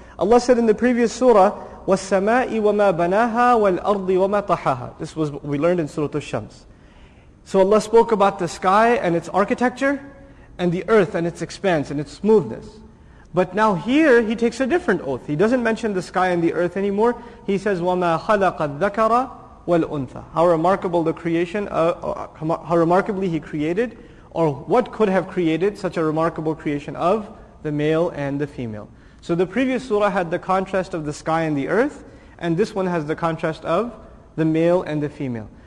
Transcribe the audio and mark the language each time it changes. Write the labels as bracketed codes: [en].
[en] Allah said in the previous surah, [ar] وَالسَّمَاءِ وَمَا بَنَاهَا وَالْأَرْضِ وَمَا طَحَاهَا. [en] This was what we learned in Surah Al-Shams. So Allah spoke about the sky and its architecture, and the earth and its expanse and its smoothness. But now here, He takes a different oath. He doesn't mention the sky and the earth anymore. He says, [ar] وَمَا خَلَقَ الذَّكَرَ وَالْأُنْثَى. [en] How remarkable the creation, how remarkably He created, or what could have created such a remarkable creation of the male and the female. So the previous surah had the contrast of the sky and the earth, and this one has the contrast of the male and the female.